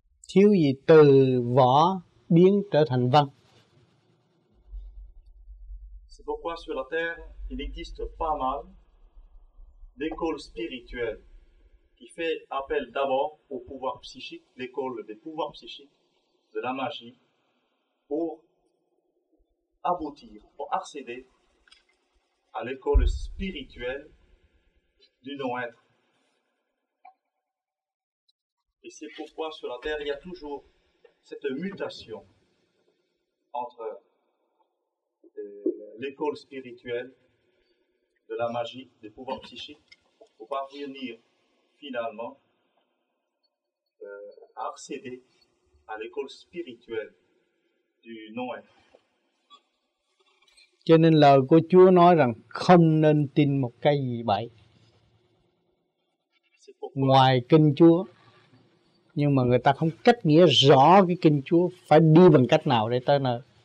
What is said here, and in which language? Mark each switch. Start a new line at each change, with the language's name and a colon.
Vietnamese: Thiếu gì từ vỏ biến trở thành văn.
French: Pourquoi sur la Terre il existe pas mal d'écoles spirituelles qui fait appel d'abord au pouvoir psychique, l'école des pouvoirs psychiques, de la magie, pour aboutir, pour accéder à l'école spirituelle du non-être. Et c'est pourquoi sur la Terre il y a toujours cette mutation entre l'école spirituelle de la magie, des pouvoirs psychiques, pour parvenir finalement à accéder à l'école spirituelle du non-être.
Vietnamese: Cho nên lời của Chúa nói rằng không nên tin một cái gì bậy ngoài kinh Chúa, nhưng mà người ta không cách nghĩa rõ cái kinh Chúa phải đi bằng cách nào để tới nơi.